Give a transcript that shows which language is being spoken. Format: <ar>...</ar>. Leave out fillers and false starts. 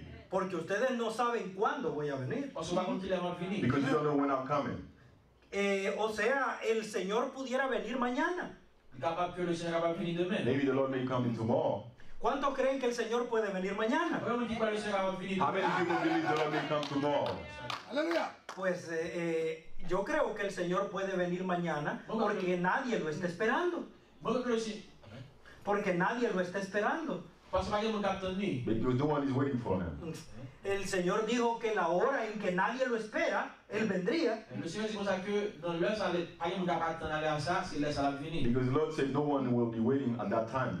<es>Porque ustedes no saben cuándo voy a venir.</es> <en>Because you don't know when I'm coming.</en> <es>O sea, el Señor pudiera venir mañana.</es> <en>Maybe the Lord may come in tomorrow.</en> <es>¿Cuánto creen que el Señor puede venir mañana?</es> <en>How many people believe the Lord may come tomorrow?</en> <es>Pues yo creo que el Señor puede venir mañana porque nadie lo está esperando. Porque nadie lo está esperando.</es> <en>But no one is waiting for him.</en> <es>El Señor dijo que la hora en que nadie lo espera, él vendría.</es> <en>Because Lord said no one will be waiting at that time.</en>